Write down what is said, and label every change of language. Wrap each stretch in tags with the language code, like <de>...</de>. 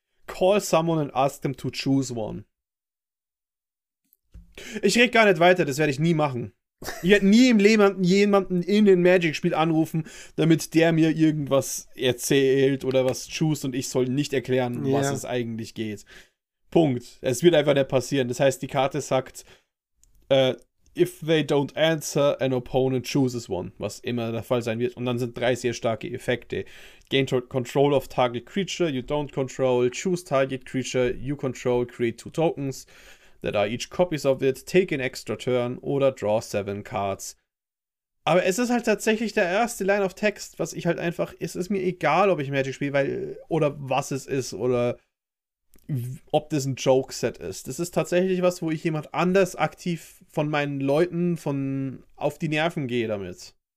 <en>Call someone and ask them to choose one.</en> <de>Ich rede gar nicht weiter, das werde ich nie machen. Ich werde nie im Leben jemanden in den Magic-Spiel anrufen, damit der mir irgendwas erzählt oder was choose und ich soll nicht erklären, um was es eigentlich geht. Punkt. Es wird einfach nicht passieren. Das heißt, die Karte sagt,</de> <en>if they don't answer, an opponent chooses one,</en> <de>was immer der Fall sein wird. Und dann sind 3 sehr starke Effekte.</de> <en>Gain control of target creature, you don't control, choose target creature, you control, create 2 tokens that are each copies of it, take an extra turn</en> <de>oder</de> <en>draw 7 cards.</en> <de>Aber es ist halt tatsächlich der erste Line of Text, was ich halt einfach, es ist mir egal, ob ich Magic spiele, weil, oder was es ist, oder ob das ein Joke-Set ist. Das ist tatsächlich was, wo ich jemand anders aktiv von meinen Leuten auf die Nerven gehe damit.</de>